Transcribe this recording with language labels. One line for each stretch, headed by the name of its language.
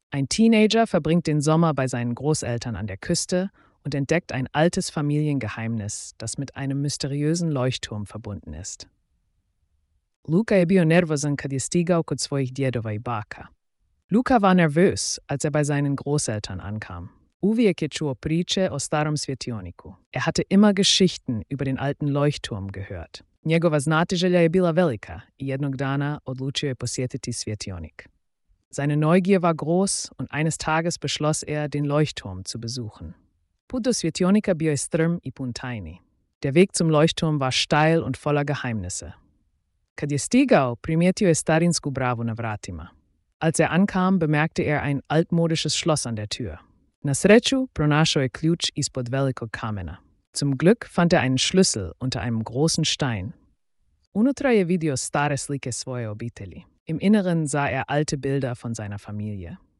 German: Ein Teenager verbringt den Sommer bei seinen Großeltern an der Küste und entdeckt ein altes Familiengeheimnis, das mit einem mysteriösen Leuchtturm verbunden ist.
Croatian: Luka je bio nervozan kad je stigao kod svojih djedova i baka.
German: Luka war nervös, als er bei seinen Großeltern ankam.
Croatian: Uvijek je čuo priče o starom svjetioniku.
German: Er hatte immer Geschichten über den alten Leuchtturm gehört.
Croatian: Njegova znatiželja je bila velika i jednog dana odlučio je posjetiti svjetionik.
German: Seine Neugier war groß und eines Tages beschloss er, den Leuchtturm zu besuchen.
Croatian: Put do svjetionika bio je strm i pun tajni.
German: Der Weg zum Leuchtturm war steil und voller Geheimnisse.
Croatian: Kad je stigao, primijetio je starinsku bravu na vratima.
German: Als er ankam, bemerkte er ein altmodisches Schloss an der Tür.
Croatian: Na sreću, pronašao je ključ ispod velikog kamena.
German: Zum Glück fand er einen Schlüssel unter einem großen Stein.
Croatian: Unutra je vidio stare slike svoje obitelji.
German: Im Inneren sah er alte Bilder von seiner Familie.